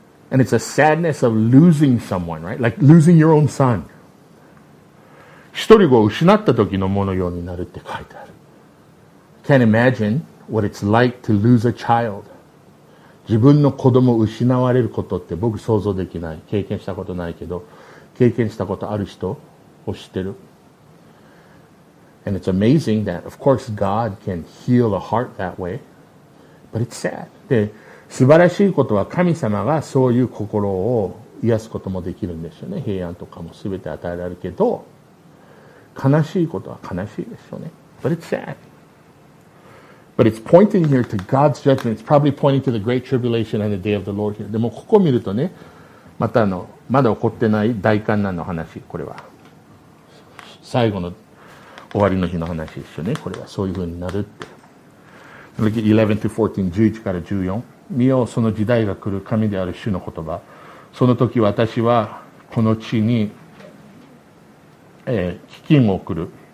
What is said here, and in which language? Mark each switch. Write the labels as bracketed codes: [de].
[en] And it's a sadness of losing someone, right? Like losing your own son. [ja] 一人子を失った時の藻のようになるって書いてある。 [en] Can't imagine what it's like to lose a child. [ja] 自分の子供を失われることって僕想像できない。経験したことないけど、経験したことある人を知ってる。 [en] And it's amazing that of course God can heal a heart that way, but it's sad. [ja] で、素晴らしいことは神様がそういう心を癒すこともできるんですよね。平安とかも全て与えられるけど、悲しいことは悲しいですよね。 [en] But it's sad. But it's pointing here to God's judgment. It's probably pointing to the great tribulation and the day of the Lord here. [ja] でもここを見るとね、またまだ起こってない大患難の話、これは最後の終わりの日の話ですよね。これはそういう風になるって。11-14、見よ、その時代が来る。神である主の言葉、その時私はこの地に、飢饉を送る。